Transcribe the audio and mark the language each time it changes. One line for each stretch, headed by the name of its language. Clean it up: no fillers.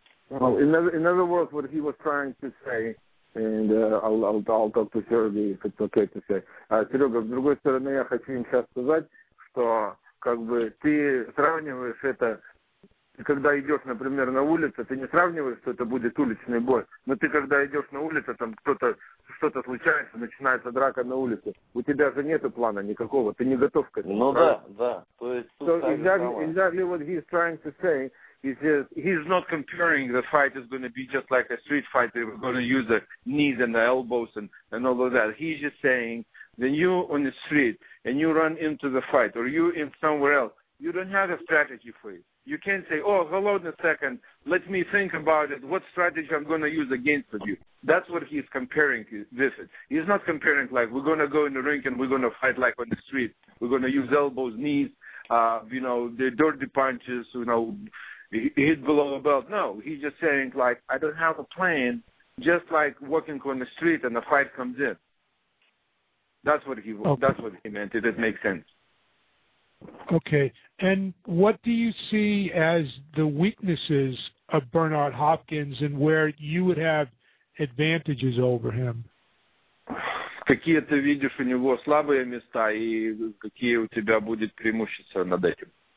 English: Well, in other words, what he was trying to say, and I'll talk to Сергей, if it's okay to say.
Russian: Серега, с другой стороны, я хочу им сейчас сказать, что как бы ты сравниваешь это, когда идешь, например, на улице, ты не сравниваешь, что это будет уличный бой, но ты когда идешь на улице, там кто-то, что-то случается, начинается драка на улице, у тебя же нету плана никакого, ты не готов к этому. Ну да, да. То есть,
English: so exactly what he's trying to say. He's not comparing the fight is going to be just like a street fight. They were going to use the knees and the elbows and all of that. He's just saying when you on the street and you run into the fight or you in somewhere else, you don't have a strategy for it. You can't say, oh, hold on a second, let me think about it. What strategy I'm going to use against you? That's what he's comparing this. He's not comparing like we're going to go in the ring and we're going to fight like on the street. We're going to use elbows, knees, you know, the dirty punches, you know, hit below the belt. No, he's just saying, like, I don't have a plan, just like walking on the street and the fight comes in. That's what he that's what he meant. Did it make sense? Okay. And what do you see as the weaknesses of Bernard Hopkins and where you would have advantages over him?
Russian: Какие ты видишь у него слабые места и какие у тебя будет преимущество над этим?